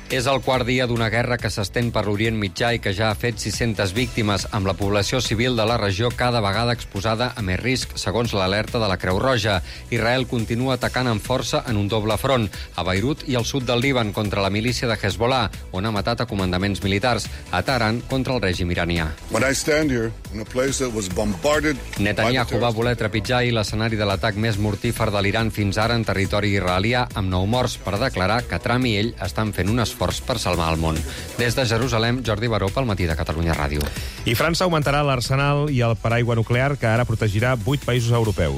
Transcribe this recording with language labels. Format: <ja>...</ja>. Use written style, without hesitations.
<ca>És el quart dia d'una guerra que s'estén per l'Orient Mitjà i que ja ha fet 600 víctimes, amb la població civil de la regió cada vegada exposada a més risc, segons l'alerta de la Creu Roja. Israel continua atacant amb força en un doble front, a Beirut i al sud del Líban, contra la milícia de Hezbollah, on ha matat a comandaments militars, a Teheran, contra el règim iranià.</ca> <en>When I stand here, in a place that was bombarded...</en> <ca>Netanyahu va voler trepitjar i l'escenari de l'atac més mortífer de l'Iran fins ara en territori israelià, amb 9 morts, per declarar que Trump i ell estan fent un esforç per salvar el món. Des de Jerusalem, Jordi Baró, pel matí de Catalunya Ràdio. I França augmentarà l'arsenal i el paraigua nuclear que ara protegirà 8 països europeus.</ca>